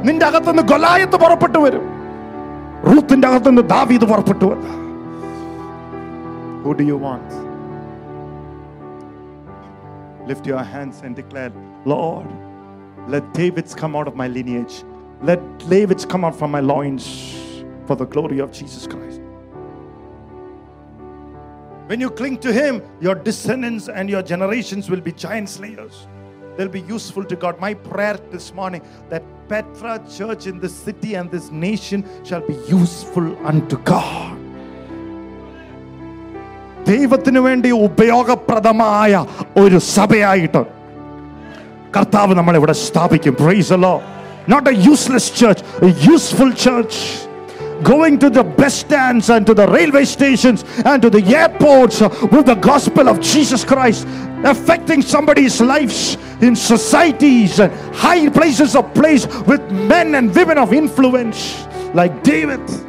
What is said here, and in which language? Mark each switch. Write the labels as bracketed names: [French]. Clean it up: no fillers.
[Malayalam] നിന്റെ അകത്തുനിന്ന് ഗൊലായത്ത് പുറപ്പെട്ടു വരും. റൂത്തിന്റെ അകത്തുനിന്ന് ദാവീദ് പുറപ്പെട്ടു വരും. [English] Who do you want? Lift your hands and declare, Lord, let David's come out of my lineage. Let David's come out from my loins for the glory of Jesus Christ. When you cling to him, your descendants and your generations will be giant slayers. They'll be useful to God. My prayer this morning that Petra Church in this city and this nation shall be useful unto God. [Malayalam] ദൈവത്തിനു വേണ്ടി ഉപയോഗപ്രദമായ ഒരു സഭയായിട്ട് കർത്താവ് നമ്മൾ ഇവിടെ സ്ഥാപിക്കും. [English] Praise the Lord. Not a useless church, a useful church. Going to the bus stands and to the railway stations and to the airports with the gospel of Jesus Christ, affecting somebody's lives in societies and high places of place with men and women of influence like David.